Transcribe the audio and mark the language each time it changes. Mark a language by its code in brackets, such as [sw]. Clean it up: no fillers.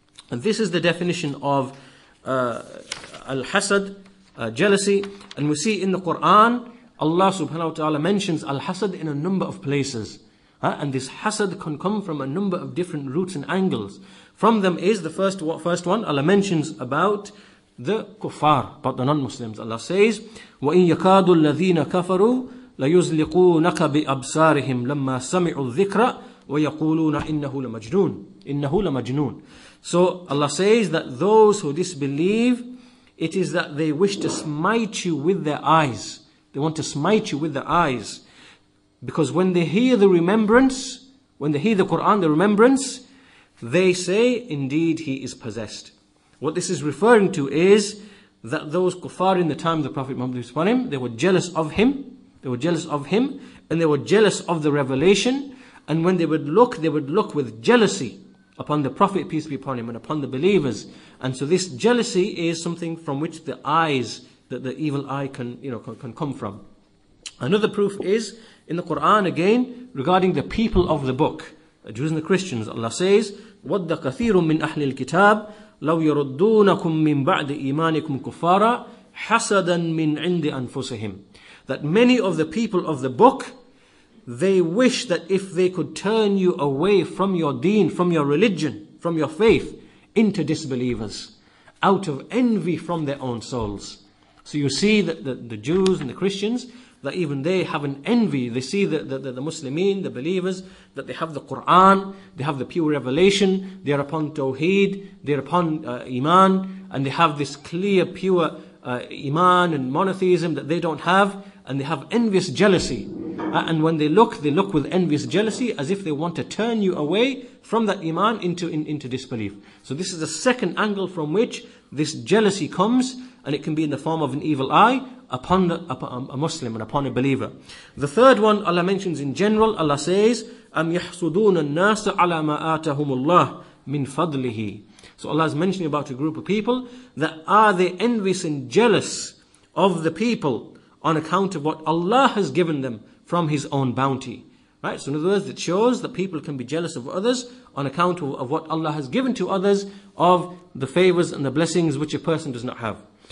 [en] And this is the definition of al-hasad, jealousy. And we see in the Quran, Allah subhanahu wa ta'ala mentions al-hasad in a number of places. And this hasad can come from a number of different roots and angles. From them is the first one, Allah mentions about the kuffar, but the non-Muslims. [ar] Allah says, وَإِن يَكَادُ الَّذِينَ كَفَرُوا لَيُزْلِقُونَكَ بِأَبْصَارِهِمْ لَمَّا سَمِعُوا الذِّكْرَ وَيَقُولُونَ إِنَّهُ لَمَجْنُونَ إِنَّهُ لَمَجْنُونَ. [en] So Allah says that those who disbelieve, it is that they wish to smite you with their eyes. They want to smite you with their eyes. Because when they hear the remembrance, when they hear the Quran, the remembrance, they say, indeed he is possessed. What this is referring to is that those kuffar in the time of the Prophet Muhammad peace be upon him, they were jealous of him. They were jealous of him, and they were jealous of the revelation. And when they would look with jealousy upon the Prophet peace be upon him and upon the believers. And so this jealousy is something from which the eyes, that the evil eye can come from. Another proof is in the Quran again regarding the people of the book, the Jews and the Christians. [ar] Allah says, وَدَّ كَثِيرٌ مِّنْ أَحْلِ الْكِتَابِ لَوْ يَرُدُّونَكُمْ مِّنْ بَعْدِ إِيمَانِكُمْ كُفَّارًا حَسَدًا مِّنْ عِنْدِ أَنفُسِهِمْ. [en] That many of the people of the book, they wish that if they could turn you away from your deen, from your religion, from your faith, into disbelievers, out of envy from their own souls. So you see that the Jews and the Christians, that even they have an envy. They see that the Muslimin, the believers, that they have the Quran, they have the pure revelation, they are upon Tawheed, they are upon Iman, and they have this clear, pure Iman and monotheism that they don't have, and they have envious jealousy. And when they look with envious jealousy, as if they want to turn you away from that Iman into disbelief. So this is the second angle from which this jealousy comes, and it can be in the form of an evil eye upon a Muslim and upon a believer. The third one Allah mentions in general. [ar] Allah says, أَمْ يَحْسُدُونَ النَّاسَ عَلَى مَا آتَهُمُ اللَّهِ مِنْ فَضْلِهِ. [en] So Allah is mentioning about a group of people that are they envious and jealous of the people on account of what Allah has given them from his own bounty. Right? So in other words, it shows that people can be jealous of others on account of what Allah has given to others of the favors and the blessings which a person does not have.